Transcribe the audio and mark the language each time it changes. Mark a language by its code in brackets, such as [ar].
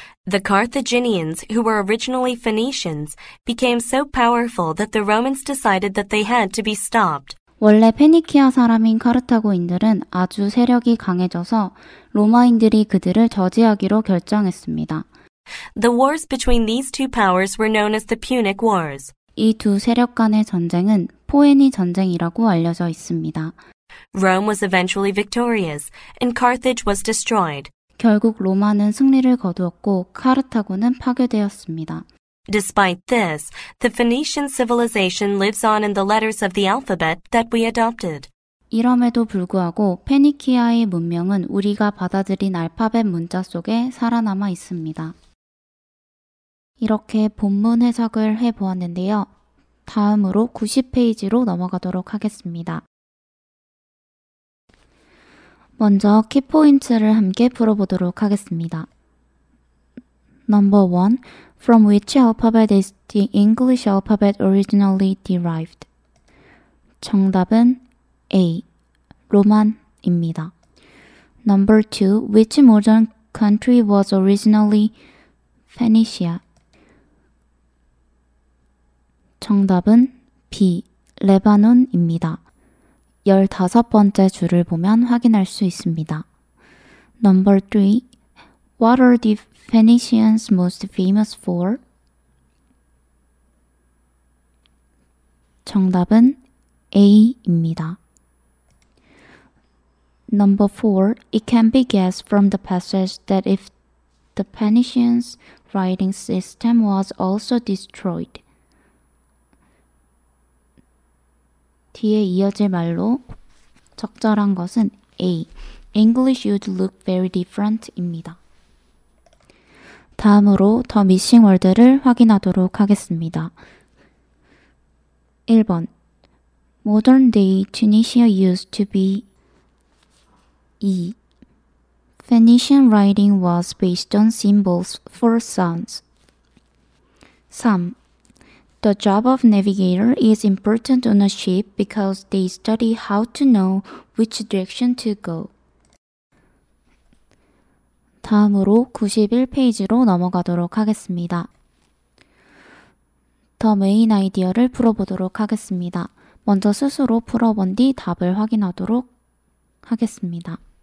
[en] The Carthaginians, who were originally Phoenicians, became so powerful that the Romans decided that they had to be stopped. [ko] 원래 페니키아 사람인 카르타고인들은 아주 세력이 강해져서 로마인들이 그들을 저지하기로 결정했습니다. [en] The wars between these two powers were known as the Punic Wars. [ko] 이 두 세력 간의 전쟁은 포에니 전쟁이라고 알려져 있습니다. [en] Rome was eventually victorious, and Carthage was destroyed. [ko] 결국 로마는 승리를 거두었고 카르타고는 파괴되었습니다. [en] Despite this, the Phoenician civilization lives on in the letters of the alphabet that we adopted. [ko] 이럼에도 불구하고 페니키아의 문명은 우리가 받아들인 알파벳 문자 속에 살아남아 있습니다. 이렇게 본문 해석을 해보았는데요. 다음으로 90페이지로 넘어가도록 하겠습니다. 먼저 키포인트를 함께 풀어보도록 하겠습니다. [en] Number 1. From which alphabet is the English alphabet originally derived? [ko] 정답은 A. 로만입니다. [en] Number 2. Which modern country was originally Phoenicia? [ko] 정답은 B. 레바논입니다. 15번째 줄을 보면 확인할 수 있습니다. [en] Number 3. What are the Phoenicians most famous for? [ko] 정답은 A입니다. [en] Number 4. It can be guessed from the passage that if the Phoenicians' writing system was also destroyed. [ko] 뒤에 이어질 말로 적절한 것은 A. [en] English would look very different입니다. [ko] 다음으로 더 미싱 월드를 확인하도록 하겠습니다. [en] 1번 Modern day Tunisia used to be E. Phoenician writing was based on symbols for sounds. 3. The job of navigator is important on a ship because they study how to know which direction to go. [ko] 다음으로 91페이지로 넘어가도록 하겠습니다. 더 메인 아이디어를 풀어보도록 하겠습니다. 먼저 스스로 풀어본 뒤 답을 확인하도록 하겠습니다.